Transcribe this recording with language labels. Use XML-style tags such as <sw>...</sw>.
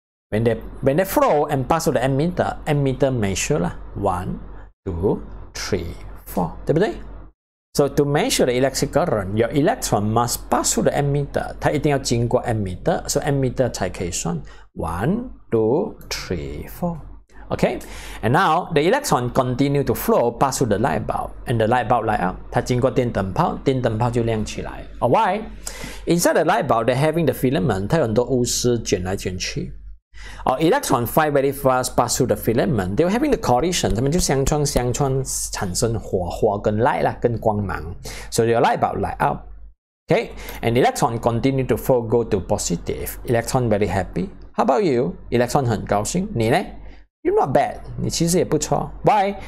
<en>When they flow and pass through the ammeter, ammeter measure 啦 1, 2, 3, 4, 对不对 ?So to measure the electric current, your electron must pass through the ammeter,</en> <zh>它一定要经过</zh> <en>ammeter, so ammeter</en> <zh>才可以算</zh> <en>1,Two, three, four. Okay, and now the electron continue to flow pass through the light bulb, and the light bulb light up.</en> <zh>它经过电灯泡，电灯泡就亮起来。</zh> <en>Oh, why? Inside the light bulb, they're having the filament.</en> <zh>它有很多钨丝卷来卷去。</zh> <en>Oh, electron fly very fast pass through the filament. They're having the collision.</en> <zh>它们就相撞，相撞产生火花跟 light 啦，跟光芒。</zh> <en>So your light bulb light up. Okay, and electron continue to flow go to positive. Electron very happy. How about you? Electron</en> <zh>很高兴。你呢?</zh> <en>You're not bad.</en> <zh>你其实也不错。</zh> <en>Why?</en>